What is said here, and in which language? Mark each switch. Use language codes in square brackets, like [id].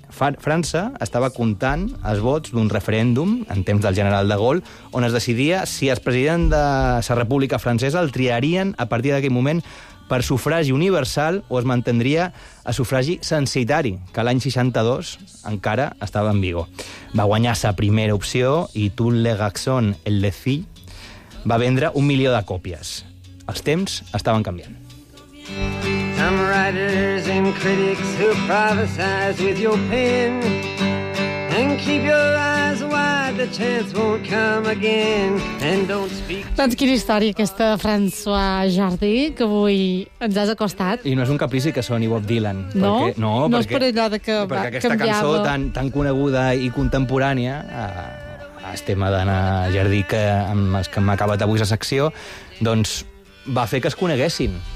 [ca] França estava comptant els vots d'un referèndum en temps del general de Gaulle, on es decidia si el president de la República Francesa el triarien a partir d'aquell moment per sufragi universal o es mantindria a sufragi censitari, que l'any 62 encara estava en vigor. Va guanyar la primera opció i Tout le garçon et le fille va vendre 1 milió de còpies. Els temps estaven canviant. [en] Some writers and critics who prophesize with your pen and keep your eyes wide, the chance won't come again and don't speak. [ca] Doncs quina història aquesta de François Jardí que avui ens has acostat. I no és un caprici que soni Bob Dylan. No? Perquè, no, perquè, no és per allò de que va canviar. Perquè aquesta cançó tan coneguda i contemporània, el tema d'Anna Jardí que amb el que m'ha acabat avui la secció, doncs va fer que es coneguessin.